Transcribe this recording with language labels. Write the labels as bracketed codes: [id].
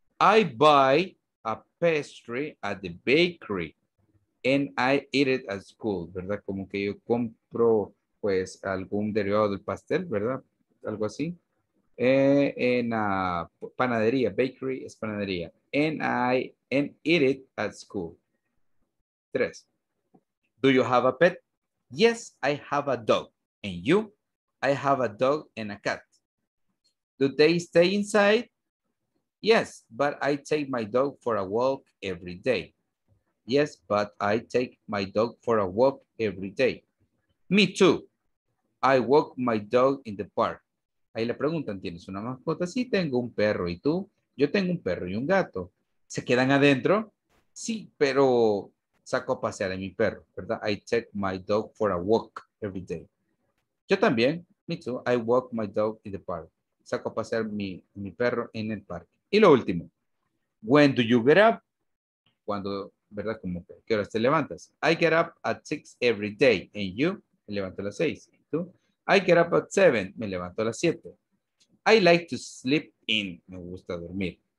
[en] I buy a pastry at the bakery and I eat it at school, [es] ¿verdad? Como que yo compro, pues, algún derivado del pastel, ¿verdad? Algo así. En panadería, bakery es panadería. [en] And eat it at school. [es] Tres. [en] Do you have a pet? Yes, I have a dog. And you? I have a dog and a cat. Do they stay inside? Yes, but I take my dog for a walk every day. Yes, but I take my dog for a walk every day. Me too. I walk my dog in the park. [es] Ahí le preguntan, ¿tienes una mascota? Sí, tengo un perro. ¿Y tú? Yo tengo un perro y un gato. ¿Se quedan adentro? Sí, pero saco a pasear a mi perro, ¿verdad? [en] I take my dog for a walk every day. [es] Yo también. [en] Me too. I walk my dog in the park. [es] Saco a pasear mi perro en el parque. Y lo último. [en] When do you get up? [es] Cuando, ¿verdad? Como, ¿qué horas te levantas? [en] I get up at 6 every day. And you? [es] Me levanto a las 6. ¿Tú? [en] I get up at 7. [es] Me levanto a las 7. [en] I like to sleep in. [es] Me gusta dormir.